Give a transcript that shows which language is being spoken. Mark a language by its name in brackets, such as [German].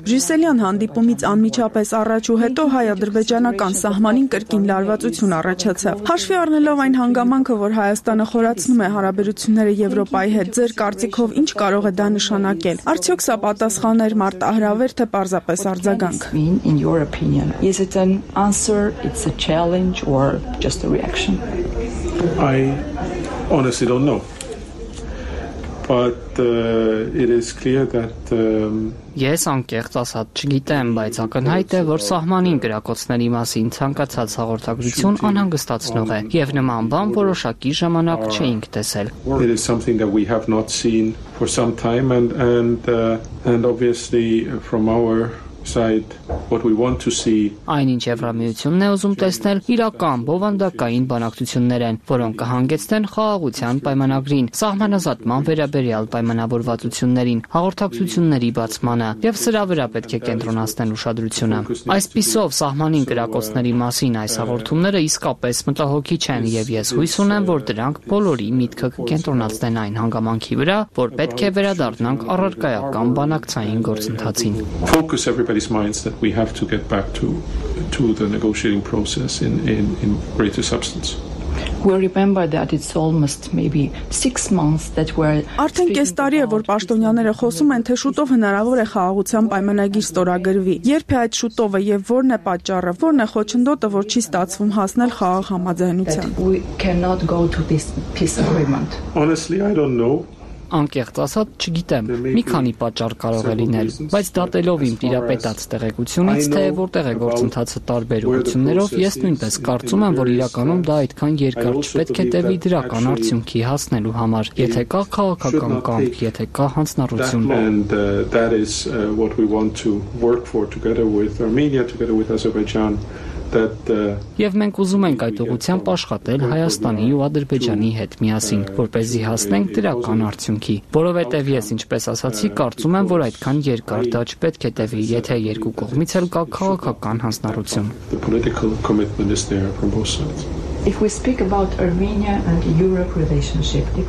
[Armenian] Ժյուսելյան հանդիպումից անմիջապես առաջ ու հետո հայ-ադրբեջանական սահմանին կրկին լարվածություն առաջացավ։ Հաշվի առնելով այն հանգամանքը, որ Հայաստանը խորացնում է հարաբերությունները Եվրոպայի հետ, ձեր կարծիքով ինչ կարող է դա նշանակել։ Արդյոք սա պատասխան էր մարտահրավեր, թե պարզապես արձագանք։ [English] In your opinion, is it an answer, it's a challenge or just a reaction? I honestly don't know. But it is clear that [Armenian] Ես անկեղծ ասած չգիտեմ, բայց ակնհայտ է, որ սահմանին գրակոցների մասին ցանկացած հաղորդագրություն անհանգստացնող է, եւ նման բան որոշակի ժամանակ չէինք տեսել։ [English] It is something that we have not seen for some time and obviously from our side what we want to see [Armenian] Այնինչ Եվրամիությունն է ուզում տեսնել, իրական բովանդակային բանակցություններ են, որոնք կհանգեցնեն խաղաղության պայմանագրին, սահմանազատման վերաբերյալ պայմանավորվածություններին, հաղորդակցությունների բացմանը, եւ սրա վրա պետք է կենտրոնացնեն ուշադրությունը։ Այսպիսով սահմանին գրակոցների մասին այս հաղորդումները իսկապես մտահոգիչ են, եւ ես հույս ունեմ, որ դրանք բոլորի միտքը կկենտրոնացնեն այն հանգամանքի վրա, որ պետք է վերադառնանք առարկայական բանակցային գործընթացին։ [English] Everybody's minds that we have to get back to the negotiating process in greater substance. We remember that it's almost maybe 6 months that we're [Armenian] Արդեն կես տարի է, որ պաշտոնյաները խոսում են, թե շուտով հնարավոր է խաղաղության պայմանագիր ստորագրվի։ Երբ է այդ շուտովը եւ որն է պատճառը, որն է խոչընդոտը, որ չի ստացվում հասնել խաղաղ համաձայնության։ [English] We cannot go to this peace agreement. Honestly, I don't know. [Armenian] Անկեղծ ասած չգիտեմ, մի քանի պատճառ կարող է լինել, բայց դատելով իմ տիրապետած տեղեկությունից, թե որտեղ է գործընթացը տարբեր ուղղություններով, ես նույնպես կարծում եմ, որ իրականում դա այդքան երկար չպետք է տևի դրական արդյունքի հասնելու համար, եթե կա քաղաքական կամ եթե կա հանձնառություն։ [English] And that is what we want to work for together with Armenia, together with Azerbaijan, [Armenian] Եվ մենք ուզում ենք այդ ուղությամբ աշխատել Հայաստանի ու Ադրբեջանի հետ միասին, որպեսզի հասնենք դրական արդյունքի, որովհետև ես, ինչպես ասացի, կարծում եմ, որ այդքան երկար դաշտ պետք է տևի, եթե երկու կողմից էլ կա քաղաքական հանձնարարություն։ [English] If we speak about Armenia and Europe relationship,